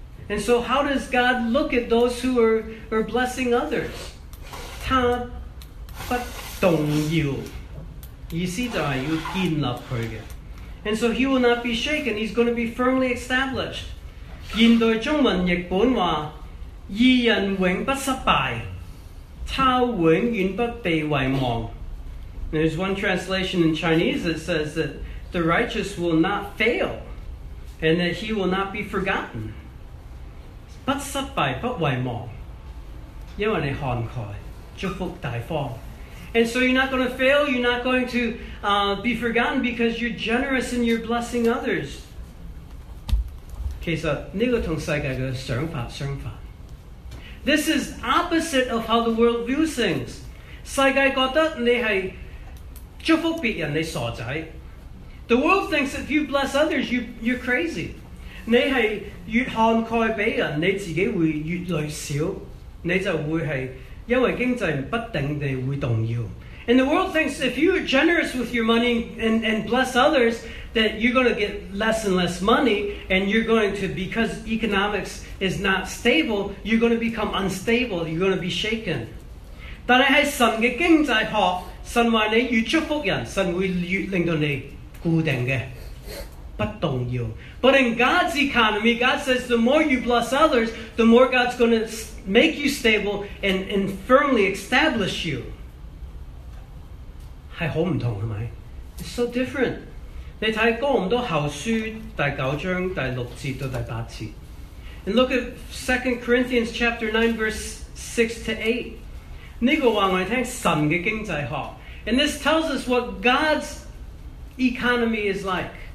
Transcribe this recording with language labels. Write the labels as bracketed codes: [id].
[en] And so how does God look at those who are blessing others? [zh] 他不动摇，意思就是要建立他的。 [en] And so he will not be shaken. He's going to be firmly established. [zh] 现代中文译本话, 义人永不失败, 他永远不被遗忘。 [en] There's one translation in Chinese that says that the righteous will not fail and that he will not be forgotten. [zh] 不失败，不遗忘，因为你看开，祝福大方。 [en] And so you're not going to fail, you're not going to be forgotten because you're generous and you're blessing others. [zh] 其实这个同世界的想法相反。 [en] This is opposite of how the world views things. [zh] 世界觉得你是祝福别人，你傻仔。 [en] The world thinks if you bless others, you're crazy. [zh] 你是越看开别人，你自己会越来越少，你就会是因为经济不定地会动摇。 [en] And the world thinks if you are generous with your money and bless others, that you're going to get less and less money, and you're going to, because economics is not stable, you're going to become unstable, you're going to be shaken. [zh] 但是在神的经济学，神说你越祝福人，神会越令到你固定的，不动摇。 [en] But in God's economy, God says the more you bless others, the more God's going to make you stable and firmly establish you. [zh] 是很不同，是吗？ [en] It's so different. [zh] 你看哥林多后书第九章第六节到第八节。 [en] And look at 2 Corinthians chapter 9, verse 6 to 8. [zh] 这个话我听神的经济学。 [en] And this tells us what God's economy is like.